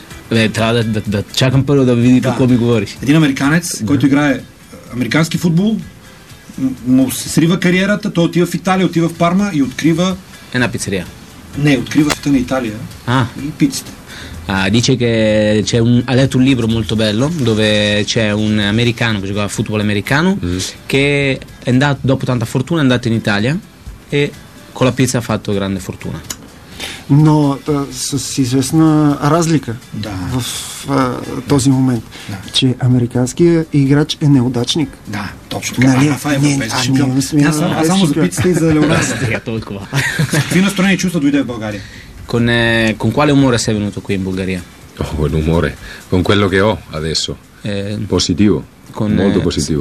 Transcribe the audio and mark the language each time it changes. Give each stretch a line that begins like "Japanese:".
Bulgarian: Не, трябва да чакам първо да види какво ми говориш. Един американец, който играе американски футбол, му се срива кариерата, той отива в Италия, отива в Парма и открива... Една пицария. Не, открива света на Италия и пиците.
Italian: Dice che c'è un, ha letto un libro molto bello dove c'è un americano che giocava a football americano che è andato, dopo tanta fortuna è andato in Italia e con la pizza ha fatto grande fortuna.
Bulgarian: Но с известна разлика в този момент, че американският играч е неудачник. Да, точно така. Рафа е европейски шампион. Аз само за пицата и за Леонардо. Какви настроени чувства дойде в България?
Italian: Con quale umore sei venuto qui in Bulgaria? Oh, quel umore, con quello che ho adesso. Positivo, con, molto positivo.